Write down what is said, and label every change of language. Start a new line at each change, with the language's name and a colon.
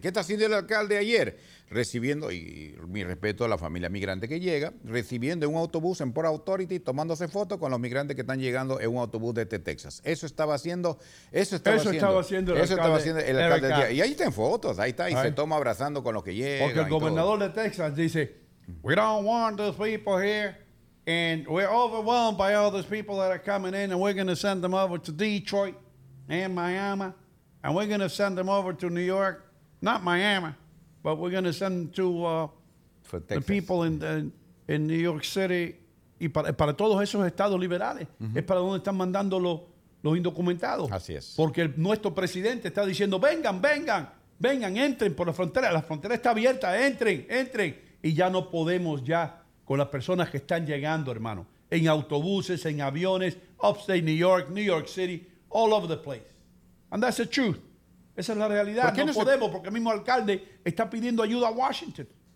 Spanish: ¿Qué está haciendo el alcalde ayer? Recibiendo, y mi respeto a la familia migrante que llega, recibiendo un autobús en Port Authority, tomándose fotos con los migrantes que están llegando en un autobús desde Texas. Eso estaba haciendo el alcalde. Y ahí están fotos, ahí está, y se toma abrazando con los que llegan. Porque el gobernador de Texas dice,
English: we don't want those people here, and we're overwhelmed by all those people that are coming in, and we're going to send them over to Detroit and Miami, and we're going to send them over to New York, not Miami, but we're going to send them to the people in New York City.
Spanish: Y para todos esos estados liberales, mm-hmm, es para donde están mandando los indocumentados. Así es. Porque nuestro presidente está diciendo, vengan, entren por la frontera está abierta, entren, y ya no podemos ya con las personas que están llegando, hermano, en autobuses, en aviones,
English: upstate New York, New York City, all over the place, and that's the truth,
Spanish: esa es la realidad, no podemos, porque el mismo alcalde está pidiendo ayuda a Washington.